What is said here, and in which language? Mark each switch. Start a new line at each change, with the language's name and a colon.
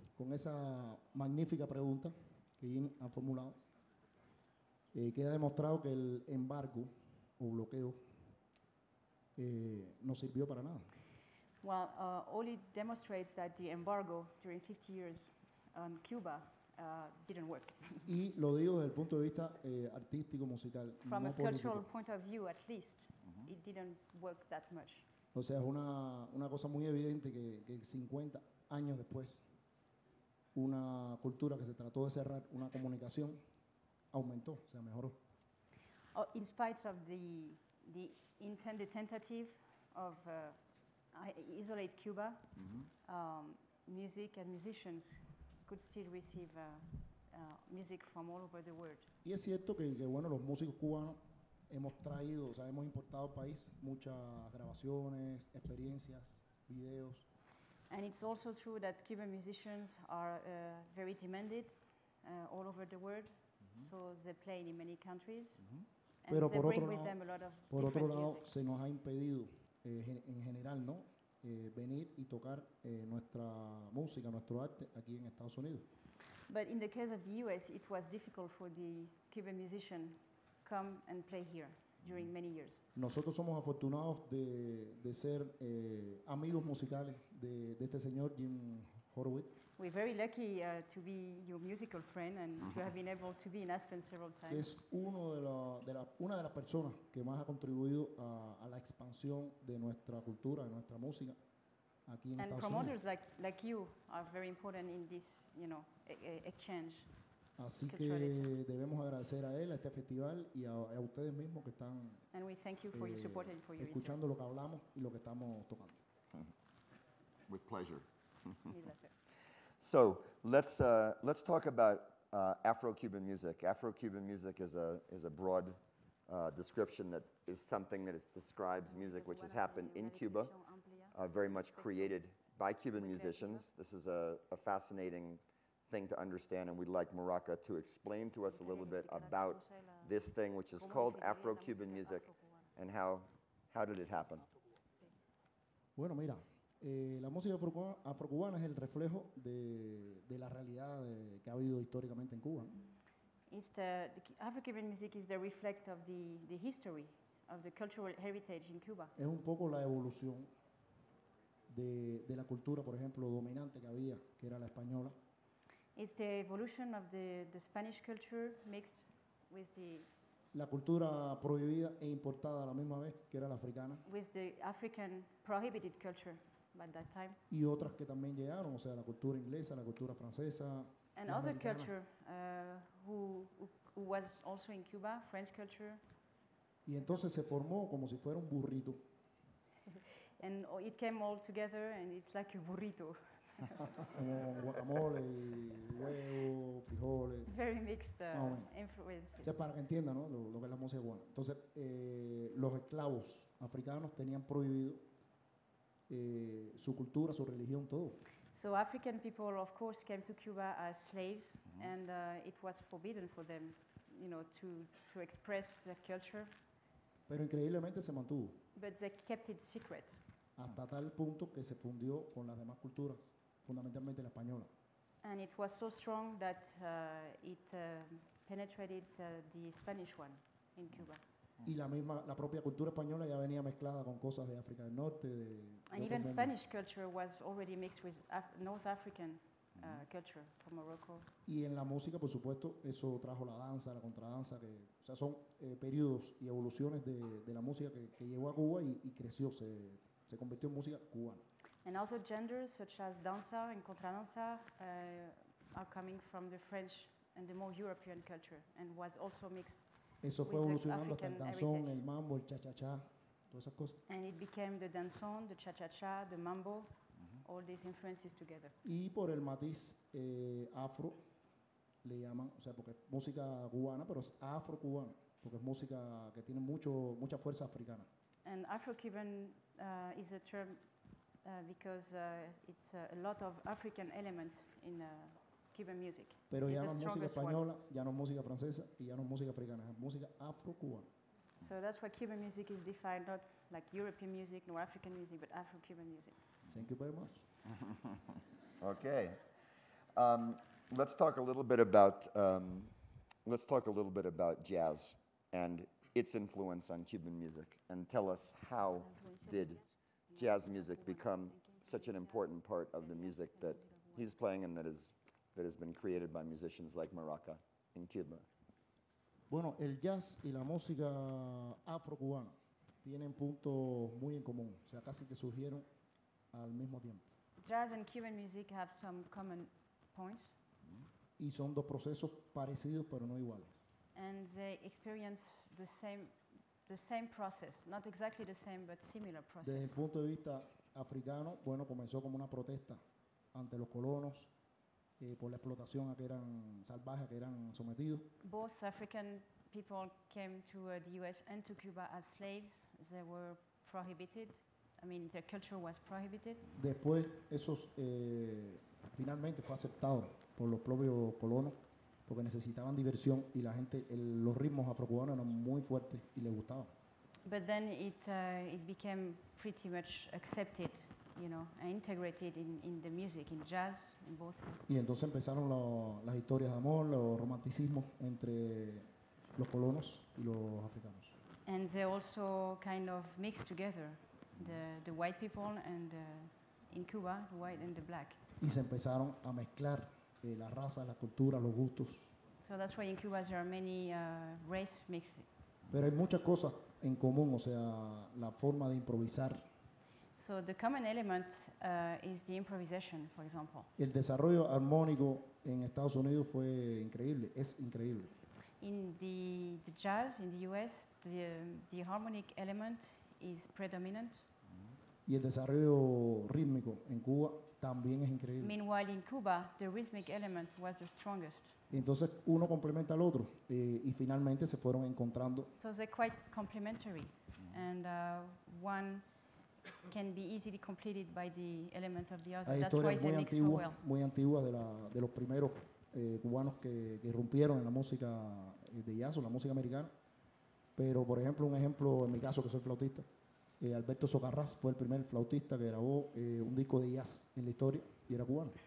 Spanish: Con esa magnífica pregunta que Jim ha formulado, queda demostrado que el embargo o bloqueo no sirvió para nada.
English: Well, all it demonstrates that the embargo during 50 years on Cuba didn't work.
Spanish: Y lo digo desde el punto de vista artístico, musical,
English: from
Spanish: no a político.
English: Cultural point of view, at least, uh-huh. It didn't work that much.
Spanish: O sea, es una cosa muy evidente que 50 años después, una cultura que se trató de cerrar, una comunicación, aumentó, o sea, mejoró.
English: Oh, in spite of the intended tentative of isolate Cuba, mm-hmm. Music and musicians could still receive music from all over the world.
Spanish: Y es cierto que bueno, los músicos cubanos hemos traído, o sea, hemos importado al país muchas grabaciones, experiencias, videos.
English: And it's also true that Cuban musicians are very demanded all over the world, mm-hmm. So they play in many countries. Mm-hmm.
Spanish: Pero por otro lado, se nos ha impedido en general, ¿no? Venir y tocar nuestra música, nuestro arte aquí en Estados Unidos.
English: But in the case of the US, it was difficult for the Cuban musician come and play here during many years.
Spanish: Nosotros somos afortunados de ser amigos musicales de este señor Jim Horowitz.
English: We're very lucky to be your musical friend and to have been able to be in Aspen several times.
Spanish: Es uno una de las personas que más ha contribuido a la expansión de nuestra cultura, de nuestra música aquí en
English: and
Spanish: Estados Unidos.
English: And promoters like you are very important in this, you know, exchange.
Spanish: Así que debemos agradecer a él, a este festival y a ustedes mismos que están
English: and we thank you for your support and for your
Spanish: escuchando
English: interest.
Spanish: Lo que hablamos y lo que estamos tocando.
English: With pleasure. So let's talk about Afro-Cuban music. Afro-Cuban music is a broad description that is something that describes music which has happened in Cuba, very much created by Cuban musicians. This is a fascinating thing to understand, and we'd like Maraca to explain to us a little bit about this thing which is called Afro-Cuban music and how did it happen.
Spanish: Bueno, mira. La música afrocubana es el reflejo de la realidad que ha habido históricamente en Cuba.
English: The African music is the reflect of the history of the cultural heritage in Cuba.
Spanish: Es un poco la evolución de la cultura, por ejemplo, dominante que había, que era la española.
English: It's the evolution of the Spanish culture mixed with the
Spanish: la cultura prohibida e importada a la misma vez, que era la africana.
English: With the African prohibited culture. By that time.
Spanish: Y otras que también llegaron, o sea, la cultura inglesa, la cultura francesa,
English: and other americana. Culture who was also in Cuba, French culture.
Spanish: Y entonces se formó como si fuera un burrito.
English: And it came all together and it's like a burrito.
Spanish: Como guacamole, huevo, frijoles.
English: Very mixed influences.
Spanish: O sea, para que entiendan, ¿no? Lo que es la música cubana. Entonces, los esclavos africanos tenían prohibido su cultura, su religión, todo.
English: So African people, of course, came to Cuba as slaves, mm-hmm. and it was forbidden for them, you know, to express their culture.
Spanish: Pero increíblemente se mantuvo.
English: But they kept it secret.
Spanish: Hasta tal punto que se fundió con las demás culturas, fundamentalmente la española.
English: And it was so strong that it penetrated the Spanish one in Cuba.
Spanish: Y la misma, la propia cultura española ya venía mezclada con cosas de África del Norte. De
English: and even Spanish culture was already mixed with North African culture from Morocco.
Spanish: Y en la música, por supuesto, eso trajo la danza, la contradanza, que, o sea, son periodos y evoluciones de la música que llegó a Cuba y creció, se convirtió en música cubana.
English: And other genders such as danza and contradanza are coming from the French and the more European culture and was also mixed.
Spanish: Eso fue evolucionando hasta el danzón, el mambo, el cha-cha-cha, todas esas cosas.
English: And it became the danzón, the cha-cha-cha, the mambo, uh-huh. all these influences together.
Spanish: Y por el matiz afro, le llaman, o sea, porque es música cubana, pero es afro-cubana, porque es música que tiene mucha fuerza africana.
English: And afro-cuban is a term because it's a lot of African elements in Cuban music.
Spanish: Pero ya no es música española, ya no es música francesa y ya no es música africana, es música afro-cubana.
English: So that's why Cuban music is defined not like European music nor African music, but Afro-Cuban music. Thank you very much. Okay. Let's talk a little bit about jazz and its influence on Cuban music and tell us how did jazz music become such an important part of the music that he's playing and that has been created by musicians like Maraca in Cuba.
Spanish: Bueno, el jazz y la música afro-cubana tienen puntos muy en común, o sea, casi que surgieron al mismo tiempo.
English: Jazz and Cuban music have some common points.
Spanish: Y son dos procesos parecidos, pero no iguales.
English: And they experience the same process, not exactly the same, but similar process.
Spanish: Desde el punto de vista africano, bueno, comenzó como una protesta ante los colonos, por la explotación a que eran salvajes, a que eran sometidos.
English: Both African people came to the U.S. and to Cuba as slaves. They were prohibited. I mean, their culture was prohibited.
Spanish: Después, eso finalmente fue aceptado por los propios colonos porque necesitaban diversión y la gente, los ritmos afrocubanos eran muy fuertes y les gustaban.
English: But then it became pretty much accepted. You know, integrated in the music, in jazz, in both.
Spanish: Y entonces empezaron las historias de amor, los romanticismos entre los colonos y los africanos.
English: And they also kind of mixed together, the white people and in Cuba, the white and the black.
Spanish: Y se empezaron a mezclar la raza, la cultura, los gustos.
English: So that's why in Cuba there are many race mixing.
Spanish: Pero hay muchas cosas en común, o sea, la forma de improvisar.
English: So the common element is the improvisation, for example.
Spanish: El desarrollo armónico en Estados Unidos fue increíble, es increíble.
English: In the jazz in the US, the harmonic element is predominant.
Spanish: Y el desarrollo rítmico en Cuba también es increíble.
English: Meanwhile, in Cuba, the rhythmic element was the strongest.
Spanish: Entonces uno complementa al otro y finalmente se fueron encontrando.
English: So they're quite complementary, and one can be easily completed by the elements of the other.
Spanish: Hay
English: That's why it mixed so well.
Spanish: Muy antigua de los primeros cubanos que irrumpieron en la música de jazz o la música americana. Pero, por ejemplo, un ejemplo, en mi caso, que soy flautista, Alberto Socarrás fue el primer flautista que grabó un disco de jazz en la historia y era cubano.